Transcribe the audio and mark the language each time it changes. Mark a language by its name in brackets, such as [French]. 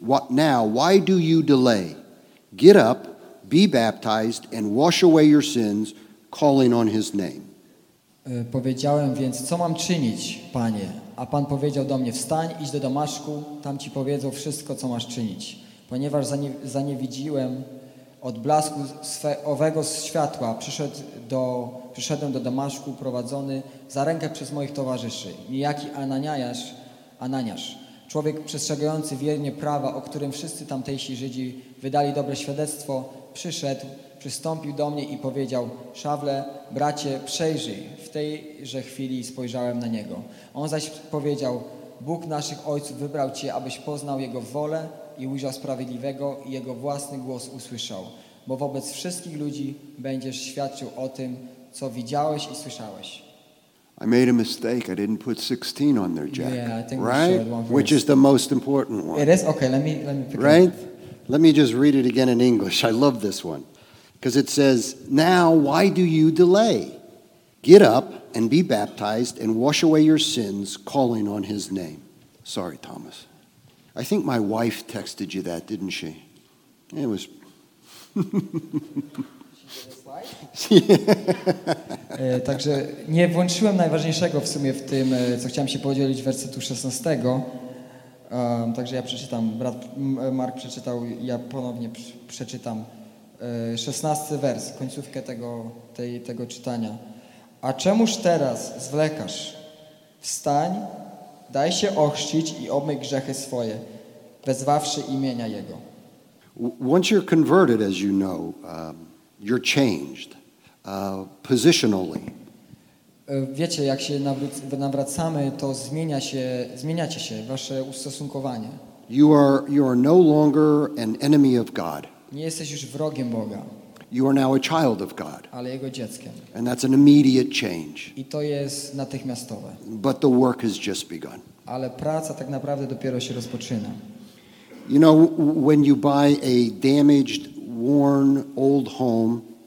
[English] Now, why do you delay? Get up, be baptized, and wash away your sins, calling on his name.'" [Polish] Powiedziałem więc, co mam czynić, panie? A pan powiedział do mnie, wstań, idź do Damaszku, tam ci powiedzą wszystko, co masz czynić. Ponieważ zaniewidziłem od blasku owego światła, przyszedłem do Damaszku prowadzony za rękę przez moich towarzyszy, niejaki Ananiasz, człowiek przestrzegający wiernie prawa, o którym wszyscy tamtejsi Żydzi wydali dobre świadectwo, przyszedł, przystąpił do mnie i powiedział: Szawle, bracie, przejrzyj. W tejże chwili spojrzałem na niego. On zaś powiedział: Bóg naszych ojców wybrał cię, abyś poznał jego wolę i ujrzał sprawiedliwego i jego własny głos usłyszał. Bo wobec wszystkich ludzi będziesz świadczył o tym, co widziałeś i słyszałeś. [English] I made a mistake. I didn't put 16 on there, Jack. Yeah, I think right? We should have one Which is the most important one. It is? Okay, let me pick right? Let me just read it again in English. I love this one. Because it says, "Now, why do you delay? Get up and be baptized and wash away your sins, calling on his name." Sorry, Thomas. I think my wife texted you that, didn't she? It was... [Polish] Także nie włączyłem najważniejszego w sumie w tym, co chciałem się podzielić, wersetu 16. Także ja przeczytam, brat Mark przeczytał, ja ponownie przeczytam 16 wers, końcówkę tego czytania. A czemuż teraz zwlekasz? Wstań, daj się ochrzcić i obmyj grzechy swoje, wezwawszy imienia Jego. [English] Once you're converted, as you know, you're changed positionally. [Polish] Wiecie, jak się nawracamy, to zmieniacie się wasze ustosunkowanie. [English] You are no longer an enemy of God. [Polish] Nie jesteś już wrogiem Boga. [English] You are now a child of God. [Polish] Ale jego dzieckiem. [English] And that's an immediate change. [Polish] I to jest natychmiastowe. [English] But the work has just begun. [Polish] Ale praca tak naprawdę dopiero się rozpoczyna. [English] You know, when you buy a damaged, worn, old home.